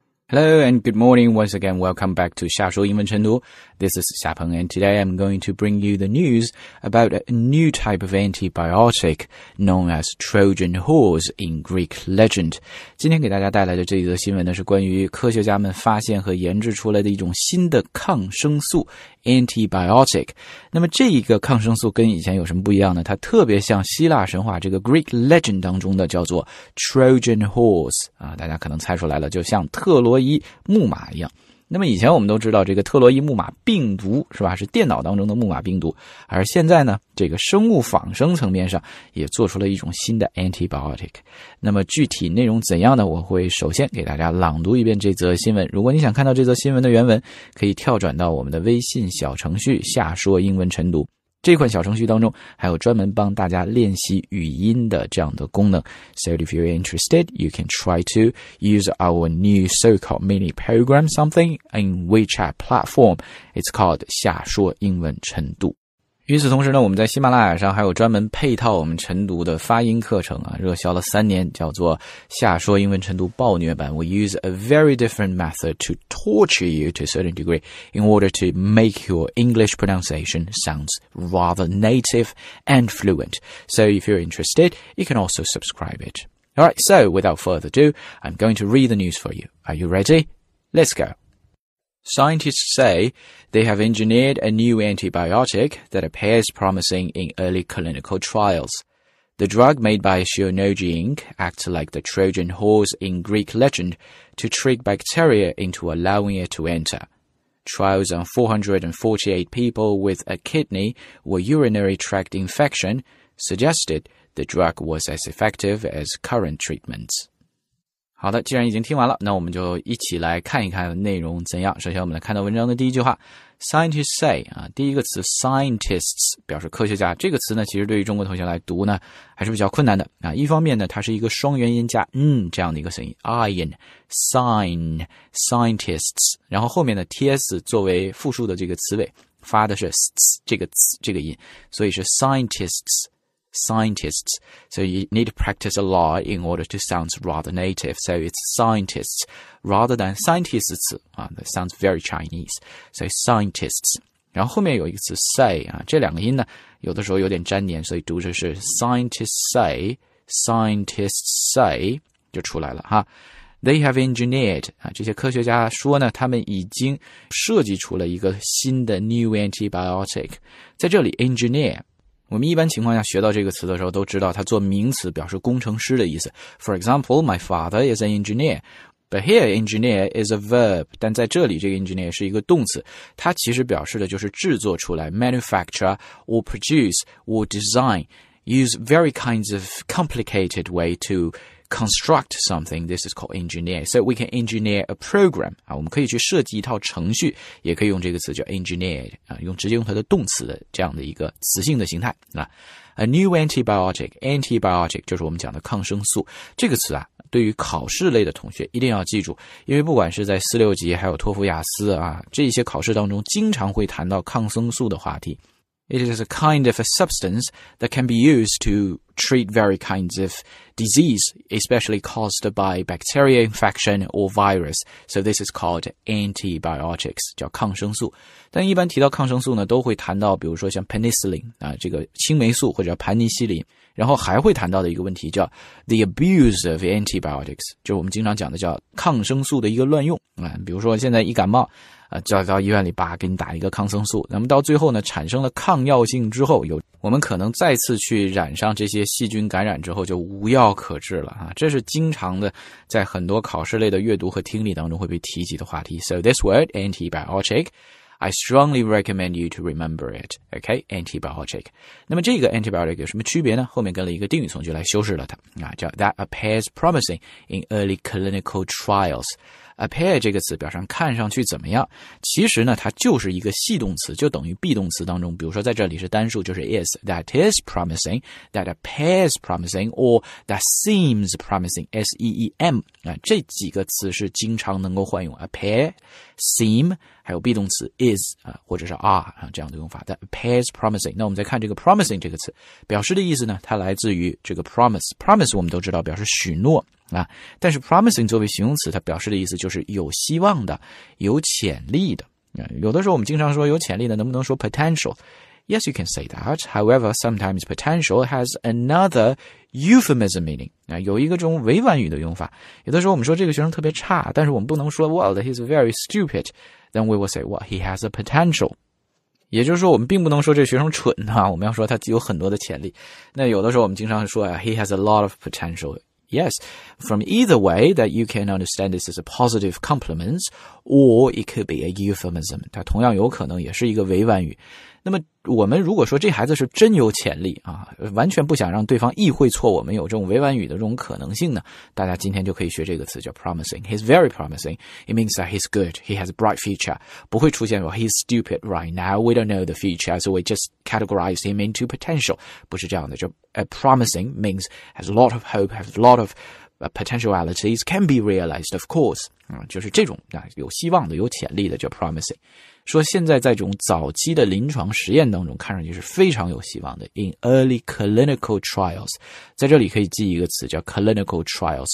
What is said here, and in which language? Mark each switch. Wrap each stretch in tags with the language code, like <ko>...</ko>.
<en>Hello and good morning once again. Welcome back to 下说英文晨读. This is Xia Peng, and today I'm going to bring you the news about a new type of antibiotic known as Trojan Horse in Greek legend.</en> <zh>今天给大家带来的这一则新闻呢，是关于科学家们发现和研制出来的一种新的抗生素 antibiotic. 那么这一个抗生素跟以前有什么不一样呢？它特别像希腊神话这个 Greek legend 当中的叫做 Trojan Horse 啊，大家可能猜出来了，就像特洛伊木马一样。那么以前我们都知道这个特洛伊木马病毒是吧，是电脑当中的木马病毒，而现在呢，这个生物仿生层面上也做出了一种新的 antibiotic。那么具体内容怎样呢，我会首先给大家朗读一遍这则新闻。如果你想看到这则新闻的原文，可以跳转到我们的微信小程序下说英文晨读，这款小程序当中还有专门帮大家练习语音的这样的功能。</zh> <en>So if you're interested, you can try to use our new so-called mini program something in WeChat platform. It's called 下说英文晨读。</en> <zh>与此同时呢，我们在喜马拉雅上还有专门配套我们晨读的发音课程啊，热销了三年，叫做下说英文晨读暴虐版。</zh> <en>We use a very different method to torture you to a certain degree in order to make your English pronunciation sounds rather native and fluent. So if you're interested, you can also subscribe it. Alright, so without further ado, I'm going to read the news for you. Are you ready? Let's go. Scientists say they have engineered a new antibiotic that appears promising in early clinical trials. The drug made by Shionogi Inc. acts like the Trojan horse in Greek legend to trick bacteria into allowing it to enter. Trials on 448 people with a kidney or urinary tract infection suggested the drug was as effective as current treatments.</en> <zh>好的，既然已经听完了，那我们就一起来看一看内容怎样。首先我们来看到文章的第一句话，</zh> <en>Scientists say,</en> <zh>啊，第一个词 scientists 表示科学家，这个词呢其实对于中国同学来读呢还是比较困难的啊。一方面呢它是一个双元音加这样的一个声音</zh> <en>ion, sign, scientists,</en> <zh>然后后面的 ts 作为复数的这个词尾发的是 ts 这个词这个音，所以是 scientistsScientists.</zh> <en>So you need to practice a lot in order to sound rather native. So it's scientists rather than scientists.、that sounds very Chinese. So scientists.</en> <zh>然后后面有一个词 say,、这两个音呢有的时候有点粘连，所以读着是</zh> <en>scientists say,</en> <zh>就出来了哈。</zh> <en>They have engineered,、</en> <zh>这些科学家说呢他们已经设计出了一个新的</zh> <en>new antibiotic.</en> <zh>在这里 engineer,我们一般情况下学到这个词的时候都知道它做名词表示工程师的意思。</zh> <en>For example, my father is an engineer. But here, engineer is a verb.</en> <zh>但在这里这个 engineer 是一个动词。它其实表示的就是制作出来</zh> <en>manufacture or produce or design. Use very kinds of complicated way to construct something. This is called engineer. So we can engineer a program.</en> <zh>我们可以去设计一套程序，也可以用这个词叫 engineered, 用直接用它的动词的这样的一个词性的形态。 A new antibiotic, antibiotic 就是我们讲的抗生素。这个词啊对于考试类的同学一定要记住，因为不管是在四六级还有托福雅思啊这些考试当中经常会谈到抗生素的话题。</zh> <en>It is a kind of a substance that can be used to treat various kinds of disease, especially caused by bacteria infection or virus. So this is called antibiotics,</en> <zh>叫抗生素。但一般提到抗生素呢，都会谈到比如说像 penicillin, 啊，这个青霉素或者盘尼西林。然后还会谈到的一个问题叫</zh> <en>the abuse of antibiotics,</en> <zh>就是我们经常讲的叫抗生素的一个乱用。比如说现在一感冒叫到医院里吧，给你打一个抗生素，那么到最后呢，产生了抗药性之后，有我们可能再次去染上这些细菌感染之后，就无药可治了啊！这是经常的在很多考试类的阅读和听力当中会被提及的话题。</zh> <en>So this word antibiotic, I strongly recommend you to remember it. Okay, antibiotic.</en> <zh>那么这个 antibiotic 有什么区别呢？后面跟了一个定语从句来修饰了它啊，叫</zh> <en>that appears promising in early clinical trials.</en> <zh>Appear 这个词表示看上去怎么样，其实呢它就是一个系动词，就等于 be 动词当中，比如说在这里是单数，就是 is,</zh> <en>that is promising, that appears promising, or that seems promising,</en> <zh>S-E-E-M, 这几个词是经常能够换用 appear, seem, 还有 be 动词 is, 或者是 are, 这样的用法</zh> <en>that appears promising.</en> <zh>那我们再看这个 promising 这个词表示的意思呢，它来自于这个 promise, promise 我们都知道表示许诺啊，但是 promising 作为形容词，它表示的意思就是有希望的，有潜力的。有的时候我们经常说有潜力的，能不能说 potential?</zh> <en>Yes, you can say that. However, sometimes potential has another euphemism meaning.</en> <zh>有一个这种委婉语的用法。有的时候我们说这个学生特别差，但是我们不能说</zh> <en>well, he's very stupid. Then we will say, well, he has a potential.</en> <zh>也就是说我们并不能说这学生蠢啊，我们要说他有很多的潜力。那有的时候我们经常说</zh> <en>he has a lot of potential. Yes, from either way that you can understand this as a positive compliment or it could be a euphemism.</en> <zh>它同样有可能也是一个委婉语。那么我们如果说这孩子是真有潜力啊，完全不想让对方意会错我们有这种委婉语的这种可能性呢，大家今天就可以学这个词叫 promising.</zh> <en>He's very promising. It means that he's good. He has a bright future.</en> <zh>不会出现说</zh> <en>he's stupid right now. We don't know the future, so we just categorize him into potential.</en> <zh>不是这样的，就</zh> <en>A promising means has a lot of hope, has a lot of potentialities, can be realized, of course.</en> <zh>就是这种有希望的、有潜力的叫 promising。说现在在这种早期的临床实验当中，看上去是非常有希望的。</zh> <en>In early clinical trials,</en> <zh>在这里可以记一个词叫 clinical trials.</zh>